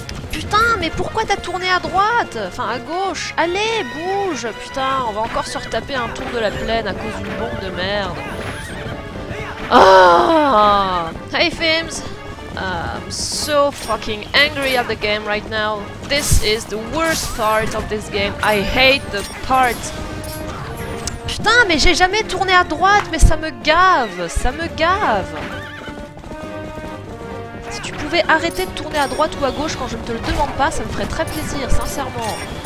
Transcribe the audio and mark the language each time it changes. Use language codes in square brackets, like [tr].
[fr] Putain, mais pourquoi t'as tourné à droite? Enfin, à gauche. Allez, bouge. Putain, on va encore se retaper un tour de la plaine à cause d'une bombe de merde. [en] Oh, hey, Fims. I'm so fucking angry at the game right now. This is the worst part of this game. I hate the part. [fr] Putain, mais j'ai jamais tourné à droite, mais ça me gave. Ça me gave. Si tu pouvais arrêter de tourner à droite ou à gauche quand je ne te le demande pas, ça me ferait très plaisir, sincèrement.